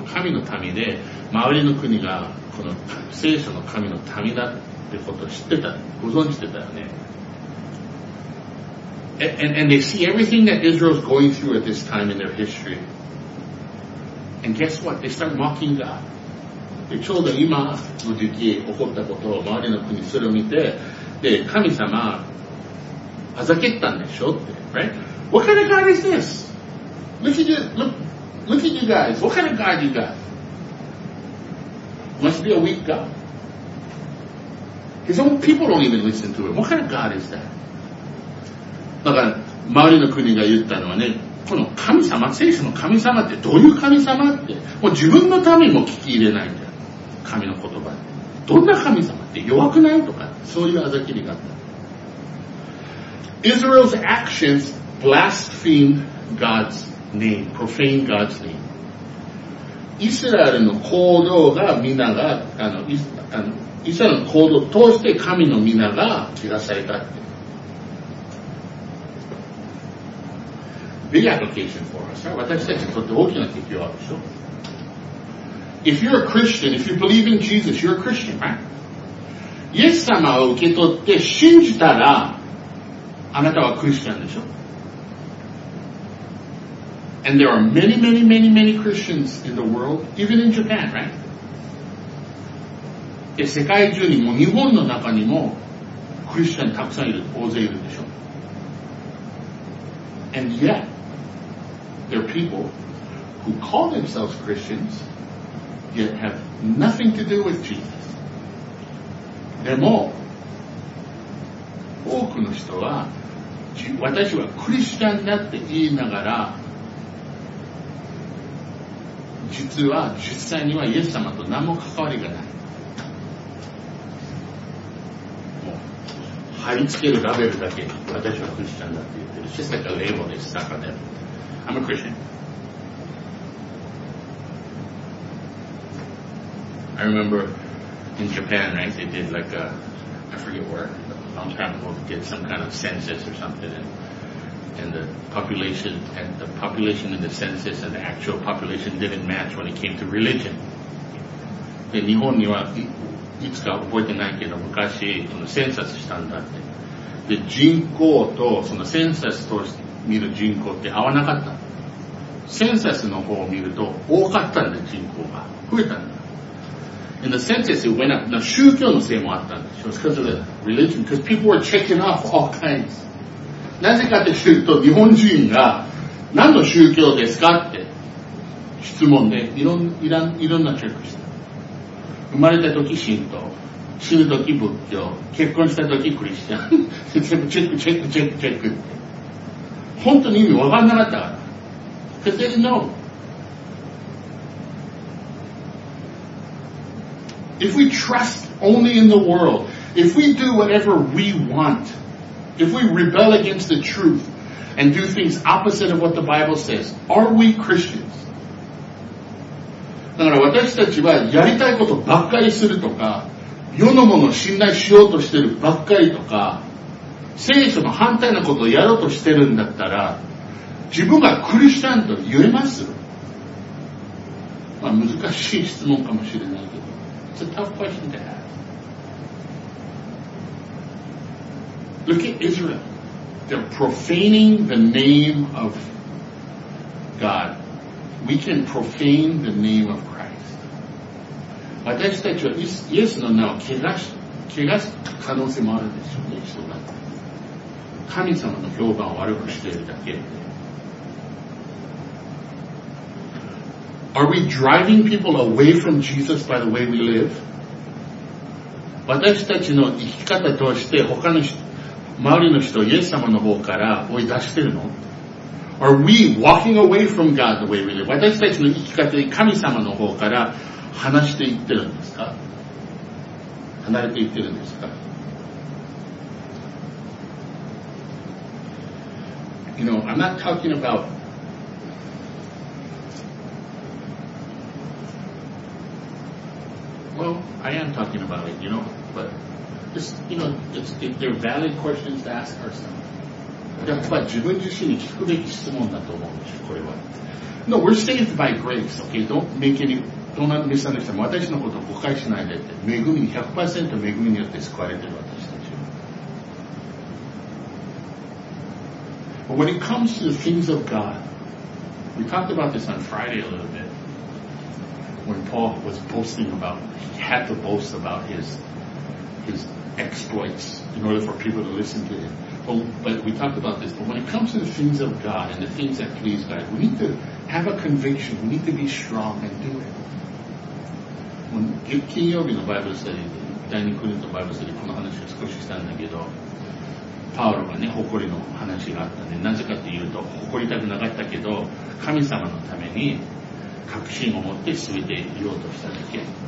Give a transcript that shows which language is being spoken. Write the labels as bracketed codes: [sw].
[ja] もう神の民で、周りの国がこの聖書の神の民だってことを知ってた、ご存知してたよね。 [en] And they see everything that Israel's going through at this time in their history. And guess what? They start mocking God. [ja] ちょうど今の時期起こったことを周りの国それを見て、で、神様、あざけったんでしょって、 [en] right? What kind of God is this? Look at you guys. What kind of God you got? must be a weak God. His own people don't even listen to him. What kind of God is that? [ja] だから周りの国が言ったのはね、この神様、聖書の神様ってどういう神様って、もう自分のためにも聞き入れないんだよ神の言葉って。どんな神様って弱くないとか、そういうあざきりがあった。 [en] Israel's actions blaspheme God's name, profane God's name。 [ja] イスラエルの行動が皆が、イスラエルの行動を通して神の皆が汚されたって。 [en] Big application for us, right? [ja] 私たちにとって大きな適用あるでしょ。 [en] If you're a Christian, if you believe in Jesus, you're a Christian, right? [ja] イエス様を受け取って信じたら、あなたはクリスチャンでしょ。 [en] And there are many, many, many, many Christians in the world, even in Japan, right? [ja] で、世界中にも日本の中にもクリスチャンたくさんいる、大勢いるでしょ。 [en] And yet, there are people who call themselves Christians, yet have nothing to do with Jesus. [ja] でも、多くの人は、私はクリスチャンだって言いながら、実は、実際にはイエス様と何も関わりがない。もう、貼り付けるラベルだけ、私はクリスチャンだって言う。 [en] It's just like a label they stuck on them. I'm a Christian. I remember in Japan, right, they did like a, I forget where, a long time ago, they did some kind of census or something, and the population, and the population in the census and the actual population didn't match when it came to religion. [ja] で、日本には、いつか覚えてないけど、昔、その census したんだって。で、人口とそのセンサスと見る人口って合わなかった。センサスの方を見ると多かったんで、人口が増えたんだ。 [en] In the census it went up. Now, [ja] 宗教のせいもあったんで、 [en] because of the religion, because people were checking off all kinds. [ja] なぜかというと、日本人が何の宗教ですかって質問でいろんなチェックした。生まれた時神道、死ぬとき仏教、結婚したときクリスチャン、チェックチェックチェックチェックチェックって、本当に意味分からなかったから。 [en] Because they didn't know. If we trust only in the world, if we do whatever we want, if we rebel against the truth and do things opposite of what the Bible says, are we Christians? [ja] だから私たちはやりたいことばっかりするとか、世のものを信頼しようとしてるばっかりとか、聖書の反対のことをやろうとしてるんだったら、自分がクリスチャンと言えます？まあ難しい質問かもしれないけど、 [en] It's a tough question to ask. Look at Israel. They're profaning the name of God. We can profane the name of Christ. [ja] 私たちはイエスの名を汚す可能性もあるんですよね、人が。神様の評判を悪くしているだけ。 [en] Are we driving people away from Jesus by the way we live? [ja] 私たちの生き方として他の周りの人をイエス様の方から追い出しているの？ [en] Are we walking away from God the way we live? [ja] 私たちの生き方で神様の方から離していってるんですか？離れていってるんですか？ [en] You know, I'm not talking about well, I am talking about it, you know, but just, you know, they're valid questions to ask ourselves. [ja] やっぱ自分自身に聞くべき質問だと思うんですよ、これは。 [en] No, we're saved by grace, okay? Don't make any... [ja] どんなミスなんでしたも私のことを誤解しないでって、恵みに 100% 恵みによって救われている私たちは。 [en] When it comes to the things of God, we talked about this on Friday a little bit, when Paul was boasting about, he had to boast about his exploits in order for people to listen to him. But we talked about this, but when it comes to the things of God and the things that please God, we need to have a conviction, we need to be strong and do it. [ja] 金曜日のバイブルスタディで、第二クリントバイブルスタディでこの話を少ししたんだけど、パウロがね、誇りの話があったね。なぜかというと、誇りたくなかったけど、神様のために確信を持って進めていようとしただけ。